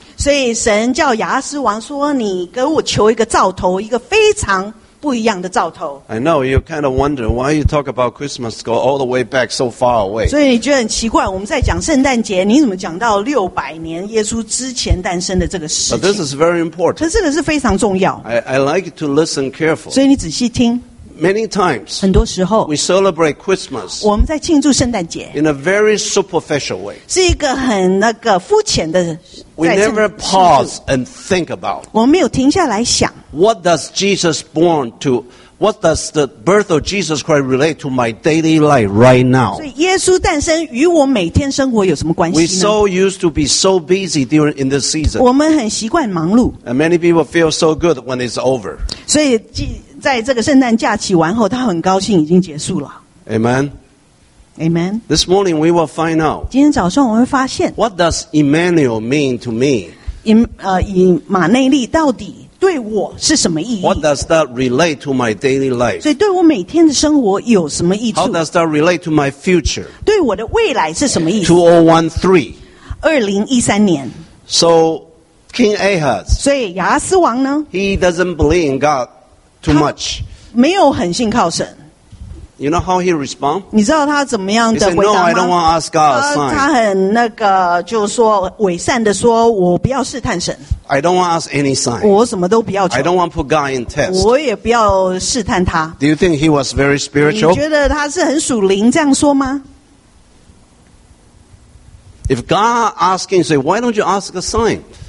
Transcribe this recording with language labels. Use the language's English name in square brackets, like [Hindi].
[Chinese] 所以神叫亚哈斯王说，你给我求一个兆头，一个非常不一样的兆头。 [English] I know you kind of wonder why you talk about Christmas go all the way back so far away. [Chinese] 所以你觉得很奇怪，我们在讲圣诞节，你怎么讲到六百年耶稣之前诞生的这个事情 [English] ？But this is very important. [Chinese] 这个是非常重要。 [English] I like to listen carefully. [Chinese] 所以你仔细听。 [English] Many times, [Chinese] 很多时候 [English] we celebrate Christmas [Chinese] 我们在庆祝圣诞节 [English] in a very superficial way. [Chinese] 是一个很那个肤浅的 [English] We never pause and think about [Chinese] 我们没有停下来想 [English] What does Jesus born to What does the birth of Jesus Christ relate to my daily life right now? [Chinese] 所以耶稣诞生与我每天生活有什么关系呢 [English] We so used to be so busy during in this season. [Chinese] 我们很习惯忙碌 [English] And many people feel so good when it's over. [Chinese] 所以在这个圣诞假期完后，他很高兴已经结束了。 [English] Amen. Amen. This morning we will find out. [Chinese] 今天早上我会发现。 [English] What does Emmanuel mean to me? [Chinese] 以马内利到底对我是什么意义 [English] ？What does that relate to my daily life? [Chinese] 所以对我每天的生活有什么益处 [English] ？How does that relate to my future? [Chinese] 对我的未来是什么意思 [English] ？2013. So King Ahaz. [Chinese] 所以亚哈斯王呢 [English] ？He doesn't believe in God. Too much. [Chinese] 他没有很信靠神。 [English] You know how he respond? [Chinese] 你知道他怎么样的回答吗 [English] ？He said, "No, I don't want to ask God a sign." [Chinese] 他很那个，就是说伪善的说，我不要试探神。 [English] I don't want to ask any sign. [Chinese] 我什么都不要求。 [English] I don't want to put God in test. [Chinese] 我也不要试探他。 [English] Do you think he was very spiritual? [Chinese] 你觉得他是很属灵这样说吗 [English] ？If God asking, say, "Why don't you ask a sign?"